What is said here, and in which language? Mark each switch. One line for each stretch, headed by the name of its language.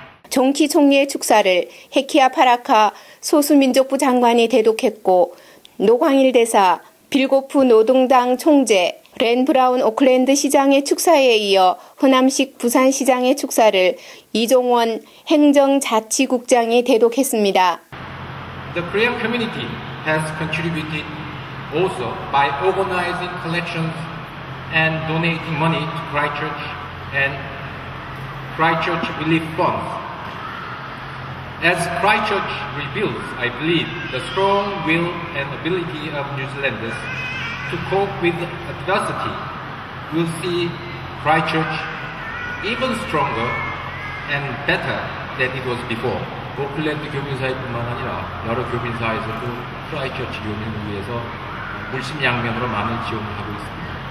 Korean: 정키 총리의 축사를 헤키아 파라카 소수민족부 장관이 대독했고 노광일 대사, 빌고프 노동당 총재, 렌 브라운 오클랜드 시장의 축사에 이어 호남식 부산시장의 축사를 이종원 행정자치국장이 대독했습니다.
English: The Korean community has contributed also by organizing collections and donating money to Christchurch and Christchurch Relief Funds. As Christchurch rebuilds, I believe the strong will and ability of New Zealanders to cope with adversity will see Christchurch even stronger and better than it was before.
Korean: 오클랜드 교민사회뿐만 아니라 여러 교민사회에서도 크라이처치 교민을 위해서 물심양면으로 많은 지원을 하고 있습니다.